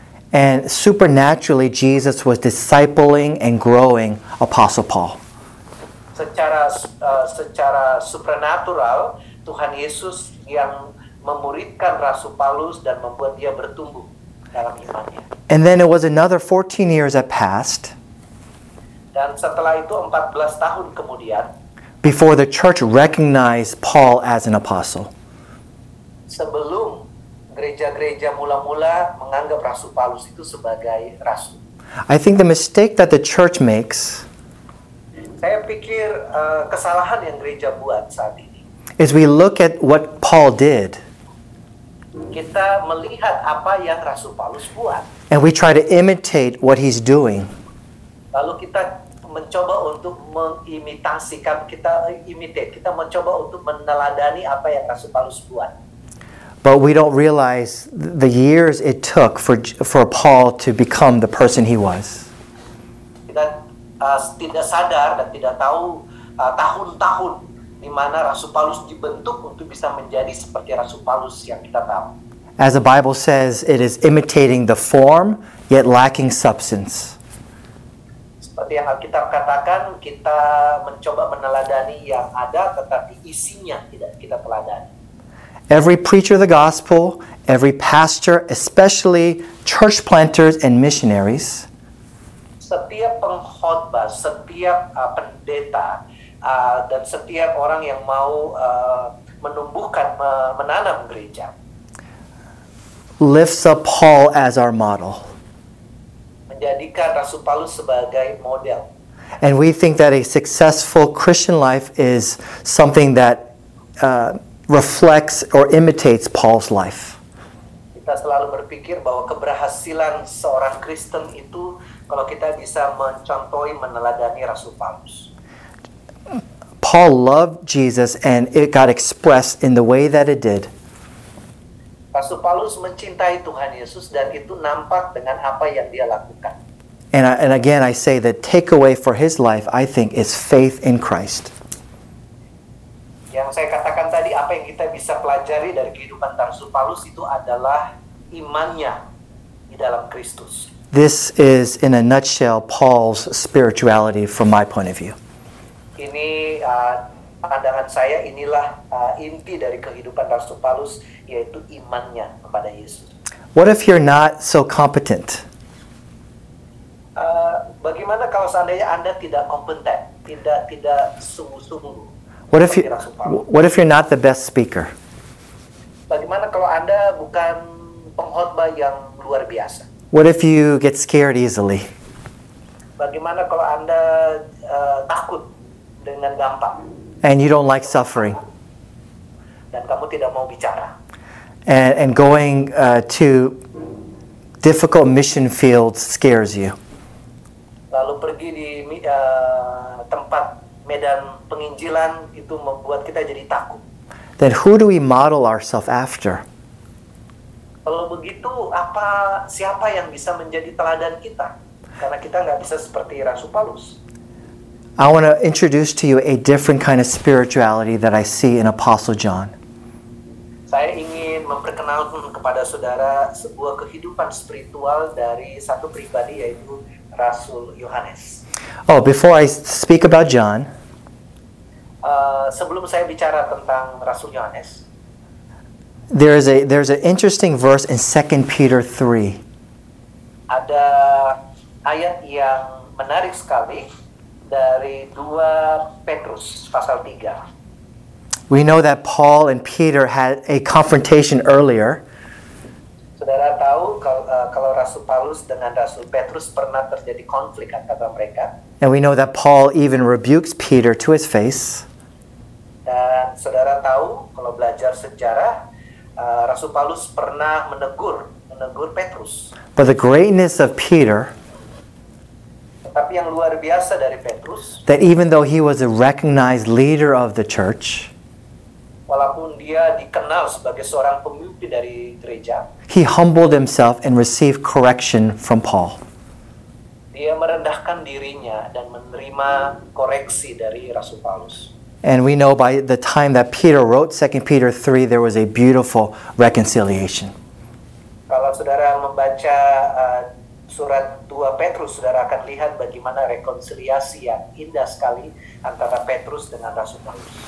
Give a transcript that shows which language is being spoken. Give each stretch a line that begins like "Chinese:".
English: And supernaturally, Jesus was discipling and growing Apostle Paul.
Indonesian: Secara supernatural, Tuhan Yesus yang memuridkan Rasul Paulus dan membuat dia bertumbuh dalam imannya.
English: And then it was another 14 years that passed.
Indonesian: Dan setelah itu 14 tahun kemudian,
English: before the church recognized Paul as an apostle.
Indonesian: Sebelum gereja-gereja mula-mula menganggap Rasul Paulus itu sebagai rasul.
English: I think the mistake that the church makes,
Indonesian: saya pikir kesalahan yang gereja buat saat ini,
English: is we look at what Paul did.
Indonesian: Kita melihat apa yang Rasul Paulus buat.
English: And we try to imitate what he's doing.
Indonesian: Lalu kita mencoba untuk mengimitasikan, kita imitate, kita mencoba untuk meneladani apa yang Rasul Paulus buat.
English: But we don't realize the years it took for Paul to become the person he was.
Indonesian: Kita tidak sadar dan tidak tahu tahun-tahun di mana Rasul Paulus dibentuk untuk bisa menjadi seperti Rasul Paulus yang kita tahu.
English: As the Bible says, it is imitating the form yet lacking substance.
Indonesian: Seperti yang Alkitab katakan, kita mencoba meneladani yang ada tetapi isinya tidak kita teladani.
English: Every preacher of the gospel, every pastor, especially church planters and missionaries,
Indonesian: setiap pengkhotbah, setiap pendeta, dan setiap orang yang mau menumbuhkan, menanam gereja,
English: lifts up Paul as our model.
Indonesian: Menjadikan Rasul Paulus sebagai model.
English: And we think that a successful Christian life is something that reflects or imitates Paul's life.
Indonesian: Kita selalu berpikir bahwa keberhasilan seorang Kristen itu kalau kita bisa mencontohi, meneladani Rasul Paulus.
English: Paul loved Jesus and it got expressed in the way that it did.
Indonesian: Rasul Paulus mencintai Tuhan Yesus dan itu nampak dengan apa yang dia lakukan.
English: And again, I say the takeaway for his life, I think, is faith in Christ.
Indonesian: Yang saya katakan tadi, apa yang kita bisa pelajari dari kehidupan Rasul Paulus itu adalah imannya di dalam Kristus.
English: This is, in a nutshell, Paul's spirituality from my point of view.
Indonesian: Ini pandangan saya inilah inti dari kehidupan Rasul Paulus, yaitu imannya kepada Yesus.
English: What if you're not so competent?
Indonesian: Bagaimana kalau seandainya Anda tidak kompeten, tidak sungguh-sungguh?
English: What if you're not the best speaker?
Indonesian: Bagaimana kalau Anda bukan pengkhotbah yang luar biasa?
English: What if you get scared easily?
Indonesian: Bagaimana kalau Anda takut dengan gampang?
English: And you don't like suffering.
Indonesian: Dan kamu tidak mau bicara.
English: And going to difficult mission fields scares you.
Indonesian: Lalu pergi di tempat medan penginjilan itu membuat kita jadi takut.
English: Then who do we model ourselves after?
Indonesian: Kalau begitu, apa siapa yang bisa menjadi teladan kita? Karena kita nggak bisa seperti Rasul Paulus.
English: I want to introduce to you a different kind of spirituality that I see in Apostle John.
Indonesian: Saya ingin memperkenalkan kepada saudara sebuah kehidupan spiritual dari satu pribadi, yaitu Rasul Yohanes.
English: Oh, before I speak about John,
Indonesian: sebelum saya bicara tentang Rasul Yohanes,
English: there's an interesting verse in 2 Peter 3.
Indonesian: Ada ayat yang menarik sekali dari 2 Petrus pasal 3.
English: We know that Paul and Peter had a confrontation earlier.
Indonesian: Saudara tahu kalau Rasul Paulus dengan Rasul Petrus pernah terjadi konflik antara mereka.
English: And we know that Paul even rebukes Peter to his face.
Indonesian: Dan saudara tahu kalau belajar sejarah, Rasul Paulus pernah menegur Petrus.
English: But the greatness of Peter,
Indonesian: tapi yang luar biasa dari Petrus,
English: that even though he was a recognized leader of the church,
Indonesian: walaupun dia dikenal sebagai seorang pemimpin dari gereja,
English: he humbled himself and received correction from Paul.
Indonesian: Dia merendahkan dirinya dan menerima koreksi dari Rasul Paulus.
English: And we know by the time that Peter wrote 2 Peter 3, there was a beautiful reconciliation.
Indonesian: Kalau saudara membaca surat 2 Petrus, saudara akan lihat bagaimana rekonsiliasi yang indah sekali antara Petrus dengan Rasul Paulus.